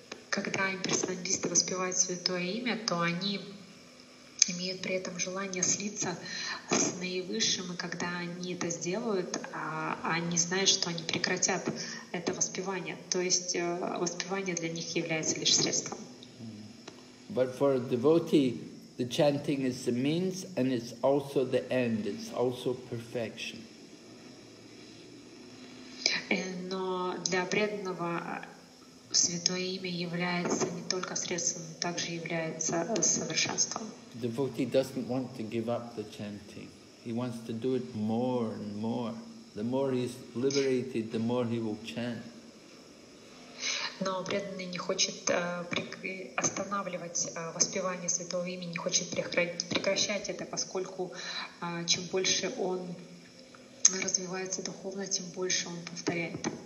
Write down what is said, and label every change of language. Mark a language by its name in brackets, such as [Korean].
[Russian] Когда имперсоналисты воспевают святое имя, то они имеют при этом желание слиться с наивысшим, и когда они это сделают, они знают, что они прекратят это воспевание. То есть воспевание для них является лишь средством. [English] But for a devotee, the chanting is the means and it's also the end, it's also perfection. [Russian] Но для преданного Святое имя является не только средством, но также является совершенством. [English] Devotee doesn't want to give up the chanting. He wants to do it more and more. The more he's liberated, the more he will chant. [Russian] Но преданный не хочет останавливать воспевание Святого имени, не хочет прекращать это, поскольку чем больше он развивается духовно, тем больше он повторяет.